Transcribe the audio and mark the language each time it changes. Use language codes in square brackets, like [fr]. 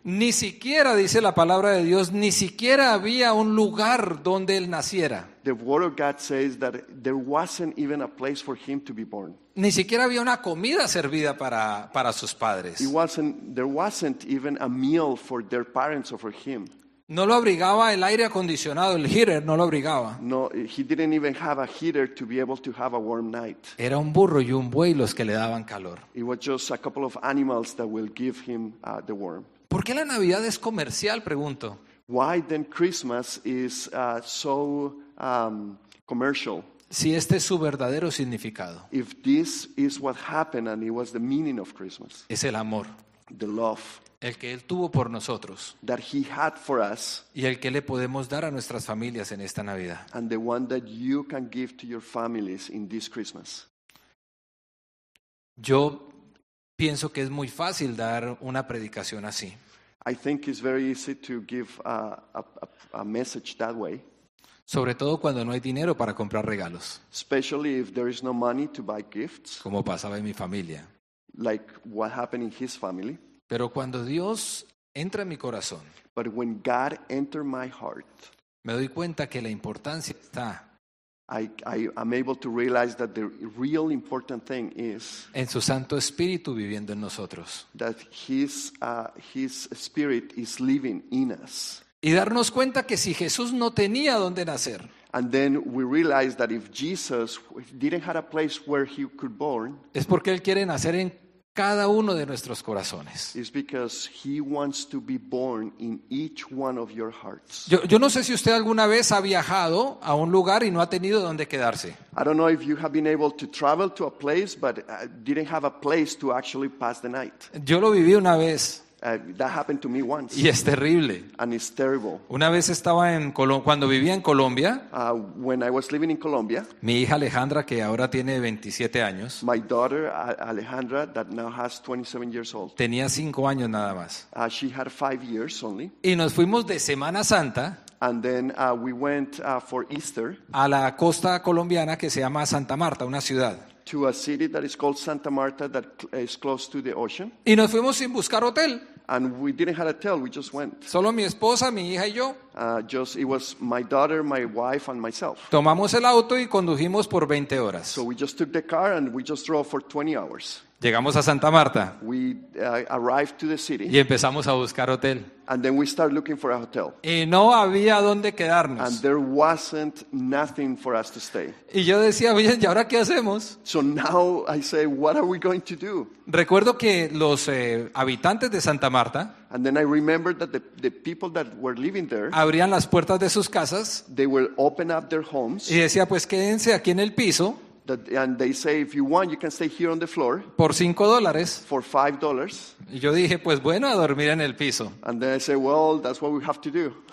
[es] Ni siquiera, dice la palabra de Dios, ni siquiera había un lugar donde él naciera. [en] The word of God says that there wasn't even a place for him to be born. [es] Ni siquiera había una comida servida para sus padres. [en] There wasn't even a meal for their parents or for him. [es] No lo abrigaba el aire acondicionado, el heater no lo abrigaba. [en] No, he didn't even have a heater to be able to have a warm night. [es] Era un burro y un buey los que le daban calor. [en] It was just a couple of animals that will give him the warm. [es] ¿Por qué la Navidad es comercial? Pregunto. [en] Why then Christmas is so commercial? [es] Si este es su verdadero significado. [en] If this is what happened and it was the meaning of Christmas. [es] Es el amor. [en] The love. [es] El que Él tuvo por nosotros. [en] That he had for us, [es] y el que le podemos dar a nuestras familias en esta Navidad. [en] And the one that you can give to your families in this Christmas. [es] Yo pienso que es muy fácil dar una predicación así. [en] I think it's very easy to give a message that way. [es] Sobre todo cuando no hay dinero para comprar regalos. [en] Especially if there is no money to buy gifts. [es] Como pasaba en mi familia. [en] Like what happened in his family. [es] Pero cuando Dios entra en mi corazón, [en] but when God entered my heart, [es] me doy cuenta que la importancia está. [en] I am able to realize that the real important thing is [es] en su Santo Espíritu viviendo en nosotros. [en] That his spirit is living in us. [es] Y darnos cuenta que si Jesús no tenía donde nacer, [en] and then we realize that if Jesus didn't have a place where he could born, [es] es porque él quiere nacer en cada uno de nuestros corazones. [en] It's because he wants to be born in each one of your hearts. [es] Yo no sé si usted alguna vez ha viajado a un lugar y no ha tenido donde quedarse. [en] I don't know if you have been able to travel to a place but didn't have a place to actually pass the night. [es] Yo lo viví una vez. [en] That happened to me once. [es] Y es terrible. [en] And it's terrible. [es] Una vez estaba en cuando vivía en Colombia. [en] When I was living in Colombia. [es] Mi hija Alejandra, que ahora tiene 27 años. [en] My daughter Alejandra, that now has 27 years old. [es] Tenía 5 años nada más. [en] She had 5 years only. [es] Y nos fuimos de Semana Santa. [en] And then we went for Easter. [es] A la costa colombiana que se llama Santa Marta, una ciudad. [en] To a city that is called Santa Marta that is close to the ocean. [es] Y nos fuimos sin buscar hotel. [en] And we didn't have a hotel, we just went. [es] Solo mi esposa, mi hija y yo. [en] Just it was my daughter, my wife and myself. [es] Tomamos el auto y condujimos por 20 horas. [en] So we just took the car and we just drove for 20 hours. [es] Llegamos a Santa Marta. [en] We arrived to the city. [es] Y empezamos a buscar hotel. [en] And then we start looking for a hotel. [es] Y no había dónde quedarnos. [en] And there wasn't nothing for us to stay. [es] Y yo decía, oye, ¿y ahora qué hacemos? [en] So now I say, what are we going to do? [es] Recuerdo que los habitantes de Santa Marta. [en] And then I remember that the people that were living there. [es] Abrían las puertas de sus casas. [en] They will open up their homes. [es] Y decía, pues quédense aquí en el piso. [en] And they say, if you want, you can stay here on the floor. [es] Por $5. [en] For $5. [es] Y yo dije, pues bueno, a dormir en el piso. [en] And then I say, well, that's what we have to do.